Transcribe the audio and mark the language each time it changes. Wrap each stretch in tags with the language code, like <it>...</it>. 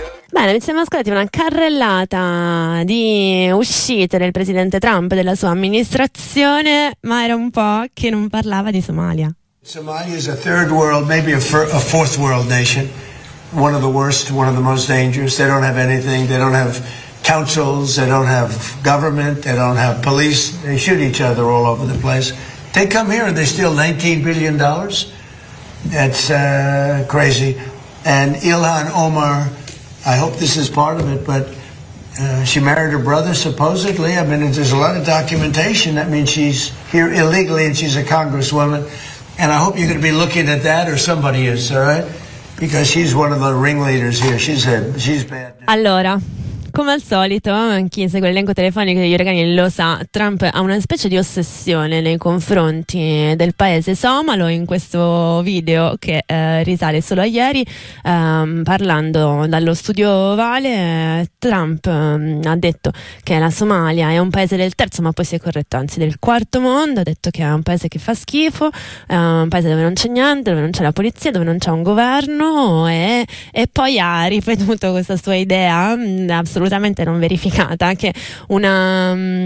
<it>Bene, ci siamo ascoltati una carrellata di uscite del presidente Trump e della sua amministrazione, ma era un po' che non parlava di Somalia.</it> <en>Somalia is a third world, maybe a fourth world nation, one of the worst, one of the most dangerous. They don't have anything, they don't have councils, they don't have government, they don't have police, they shoot each other all over the place. They come here and they steal $19 billion. That's crazy. And Ilhan Omar, I hope this is part of it, but she married her brother, supposedly. I mean, there's a lot of documentation. That means she's here illegally and she's a congresswoman. And I hope you're going to be looking at that, or somebody is, all right? Because she's one of the ringleaders here. She's bad.</en> <it>Allora, come al solito, chi segue l'elenco telefonico degli uragani lo sa, Trump ha una specie di ossessione nei confronti del paese somalo. In questo video, che risale solo a ieri, parlando dallo studio ovale, Trump ha detto che la Somalia è un paese del terzo, ma poi si è corretto, anzi del quarto mondo. Ha detto che è un paese che fa schifo, un paese dove non c'è niente, dove non c'è la polizia, dove non c'è un governo, e poi ha ripetuto questa sua idea assolutamente non verificata, che una</it>